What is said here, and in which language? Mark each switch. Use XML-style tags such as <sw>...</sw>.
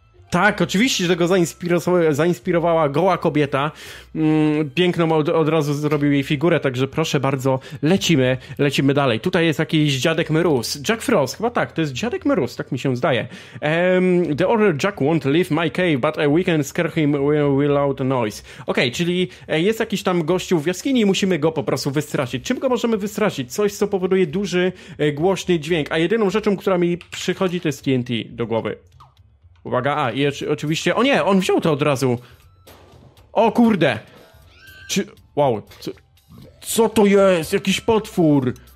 <pl>Tak, oczywiście, że go zainspirowała goła kobieta. Piękną od razu zrobił jej figurę, także proszę bardzo, lecimy dalej. Tutaj jest jakiś dziadek Mróz. Jack Frost, chyba tak, to jest dziadek Mróz, tak mi się zdaje.</pl> <en>The other Jack won't leave my cave, but we can scare him without noise.</en> <pl>Okej, czyli jest jakiś tam gościu w jaskini i musimy go po prostu wystraszyć. Czym go możemy wystraszyć? Coś, co powoduje duży, głośny dźwięk. A jedyną rzeczą, która mi przychodzi, to jest TNT do głowy. Uwaga, i oczywiście... O nie, on wziął to od razu. O kurde. Wow. Co to jest? Jakiś potwór.</pl>